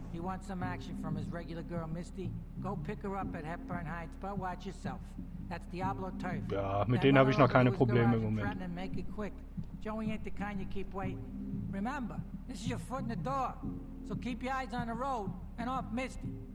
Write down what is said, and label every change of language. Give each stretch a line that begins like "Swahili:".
English: He wants some action from his regular girl, Misty. Go pick her up at Hepburn Heights, but watch yourself. That's Diablo Turf.
German: Ja, mit denen habe ich noch keine Probleme im Moment.
English: Joey ain't the kind you keep waiting. Remember, this is your foot in the door. So keep your eyes on the road and off Misty.